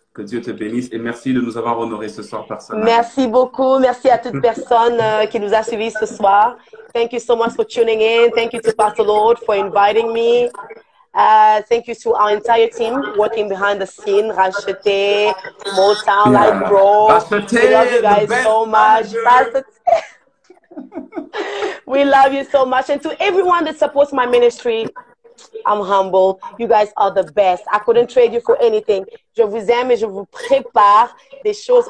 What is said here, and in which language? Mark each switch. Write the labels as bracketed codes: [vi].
[fr] Que Dieu te bénisse et merci de nous avoir honorés ce soir, personnellement. Merci beaucoup. Merci à toute personne qui nous a suivis ce soir. [en] Thank you so much for tuning in. Thank you to Pastor Lord for inviting me. Thank you to our entire team working behind the scene. Racheté, Motown, yeah. Light Bro. Racheté, we love you guys so much. We love you so much. And to everyone that supports my ministry, I'm humble. You guys are the best. I couldn't trade you for anything. [fr] Je vous aime et je vous prépare des choses.